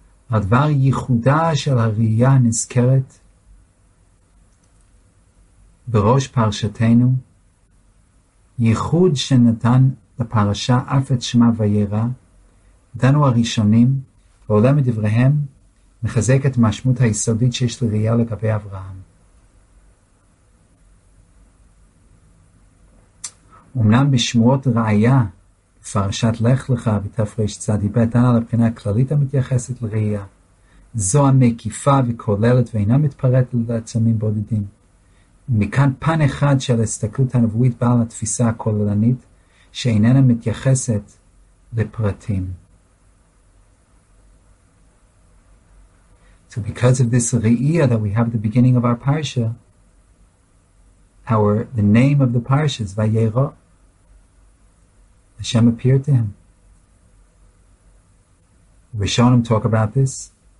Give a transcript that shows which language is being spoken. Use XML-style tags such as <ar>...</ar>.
<he>Advar Yichuda shel Ariya Nizkeret B'rosh Parshatenu Yichud shenatan l'parasha af et shema vayera danu harishonim v'olam et divrehem מחזק את המשמעות היסודית שיש לראייה לגבי אברהם. אמנם בשמועות ראייה, בפרשת לך לך, בתפרש צדי בטן על הבחינה הכללית המתייחסת לראייה, זו המקיפה וכוללת ואינה מתפרט לעצמים בודדים. מכאן פן אחד של הסתכלות הנבואית בעל התפיסה הכוללנית, שאיננה מתייחסת לפרטים.</he> <en>So because of this Re'iyah that we have at the beginning of our parsha, our the name of the parsha is Vayera. Hashem appeared to him. Rishonim talk about this.</en>